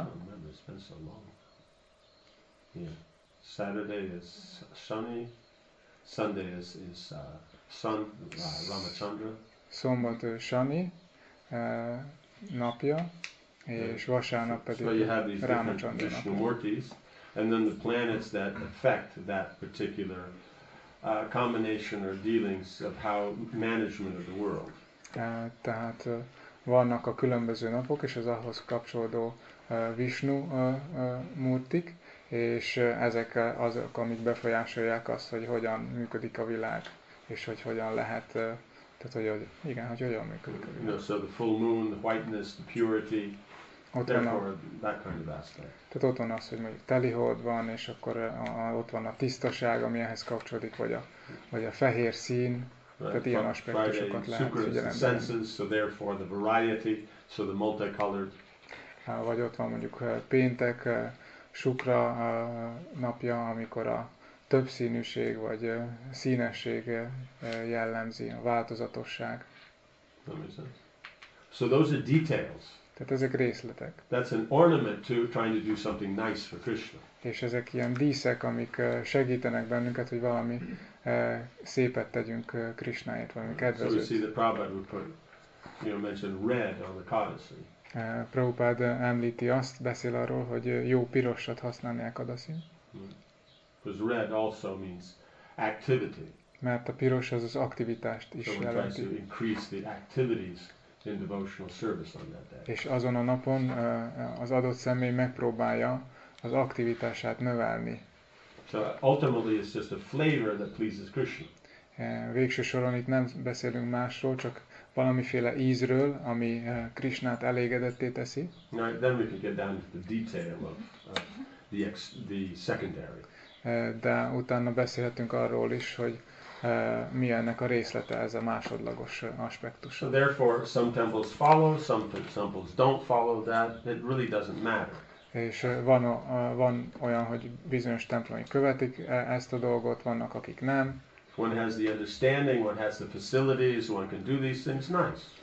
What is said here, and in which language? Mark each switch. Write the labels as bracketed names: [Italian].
[English] I don't remember, it's been so long. Yeah. Saturday is Shani. Sunday is Sun, Ramachandra. [Hungarian] Szombat Shani napja, és vasárnap pedig Ramachandra napja. [English] So you have these different Vishnumurtis, and then the planets that affect that particular combination or dealings of how management of the world. [Hungarian] Tehát vannak a különböző napok, és az ahhoz kapcsolódó Vishnu murtik, és ezek azok, amik befolyásolják azt, hogy hogyan működik a világ. És hogy hogyan lehet, tehát hogy igen, hogy hogyan működik. [English] You know, so the full moon, the whiteness, the purity, [Hungarian] ott [English] therefore a, that kind of aspect. [Hungarian] Tehát ott van az, hogy mondjuk telihold van, és akkor ott van a tisztaság, ami ehhez kapcsolódik, vagy a fehér szín, [English] right. [Hungarian] Tehát ilyen aspektusokat [English] Friday, [Hungarian] lehet figyelembe. [English] Friday, sukra is the senses, so therefore the variety, so the multicolored. [Hungarian] Vagy ott van mondjuk péntek, sukra napja, amikor a többszínűség vagy színesség jellemzi, a változatosság. [English] So those are details. [Hungarian] Tehát ezek részletek. [English] That's an ornament to trying to do something nice for Krishna. [Hungarian] És ezek ilyen díszek, amik segítenek bennünket, hogy valami szépet tegyünk Krishnáért, valami kedvezőt. [English] So you see the Prabhupada would put, you know, mention red on the codicil. [Hungarian] Prabhupada említi azt, beszél arról, hogy jó pirosat használni a kadaszin. [English] Because red also means activity. [Hungarian] Mert a piros az az aktivitást is jelenti. [English] So we try to increase the activities in devotional service on that day. [Hungarian] És azon a napon az adott személy megpróbálja az aktivitását növelni. [English] So ultimately it's just a flavor that pleases Krishna. [Hungarian] Végső soron itt nem beszélünk másról, csak valamiféle ízről, ami Krishnát elégedetté teszi. [English] Right, then we can get down to the detail of the secondary. [Hungarian] De utána beszélhetünk arról is, hogy mi ennek a részlete, ez a másodlagos aspektus. [English] So therefore some temples follow, some temples don't follow that, it really doesn't matter. [Hungarian] És van olyan, hogy bizonyos templomok követik ezt a dolgot, vannak akik nem. [English] One has the understanding, one has the facilities, one can do these things nice.